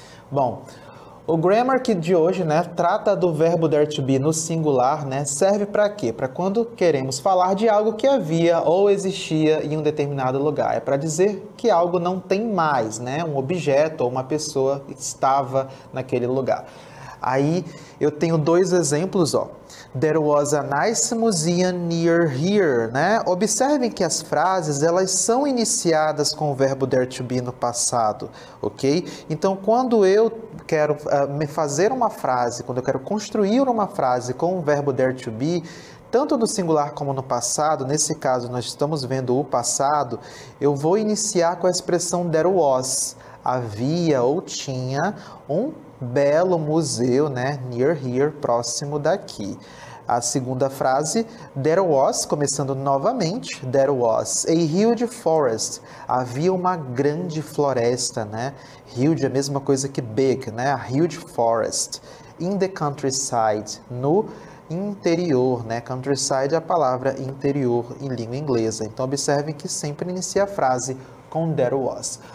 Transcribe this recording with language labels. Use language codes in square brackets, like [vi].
[pt] Bom, o grammar de hoje, né, trata do verbo there to be no singular, né, serve para quê? Para quando queremos falar de algo que havia ou existia em um determinado lugar. É para dizer que algo não tem mais, né, um objeto ou uma pessoa estava naquele lugar. Aí eu tenho dois exemplos, ó. [en] There was a nice museum near here, né? [pt] Observem que as frases, elas são iniciadas com o verbo there to be no passado, ok? Então, quando eu quero fazer uma frase, quando eu quero construir uma frase com o verbo there to be, tanto no singular como no passado, nesse caso nós estamos vendo o passado, eu vou iniciar com a expressão there was, havia ou tinha um belo museu, né? [en] Near here, [pt] próximo daqui. A segunda frase, [en] there was, [pt] começando novamente, [en] there was a huge forest. [pt] Havia uma grande floresta, né? Huge é a mesma coisa que big, né? [en] A huge forest. In the countryside, [pt] no interior, né? Countryside é a palavra interior em língua inglesa. Então, observe que sempre inicia a frase com there was.